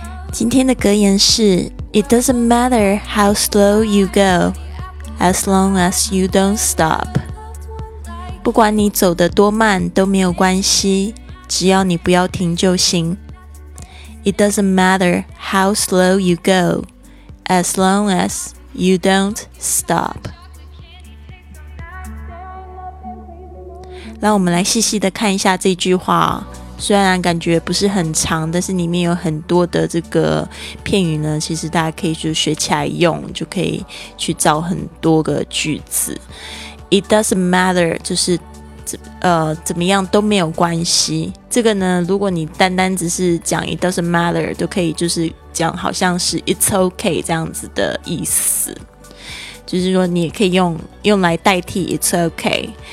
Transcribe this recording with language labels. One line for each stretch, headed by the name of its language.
Chinese: 今天的格言是
English: It doesn't matter how slow you go, as long as you don't stop.
Chinese: 不管你走得多慢都没有关系，只要你不要停就行。
English: It doesn't matter how slow you go, as long as you don't stop.
Chinese: 让我们来细细的看一下这句话，虽然感觉不是很长，但是里面有很多的这个片语呢，其实大家可以就学起来用，就可以去造很多个句子。
English: It doesn't matter
Chinese: 就是怎么样都没有关系，这个呢如果你单单只是讲 It doesn't matter 都可以，就是讲好像是
English: It's okay
Chinese: 这样子的意思，就是说你也可以 用来代替 It's okay。